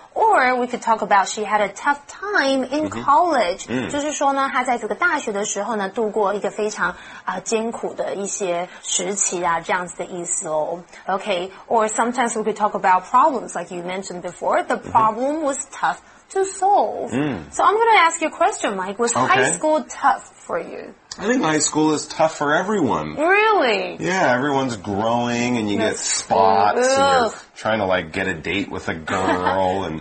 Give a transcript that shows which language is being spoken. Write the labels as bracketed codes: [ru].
[en] Or we could talk about she had a tough time in college. [zh] 就是说呢，她在这个大学的时候呢，度过一个非常艰苦的一些时期啊，这样子的意思哦。 [en] Okay, or sometimes we could talk about problems like you mentioned before. The problem was tough to solve. So I'm going to ask you a question, Mike. Was high school tough for you? I think high school is tough for everyone. Really? Yeah, everyone's growing and you get spots and you're trying to like get a date with a girl and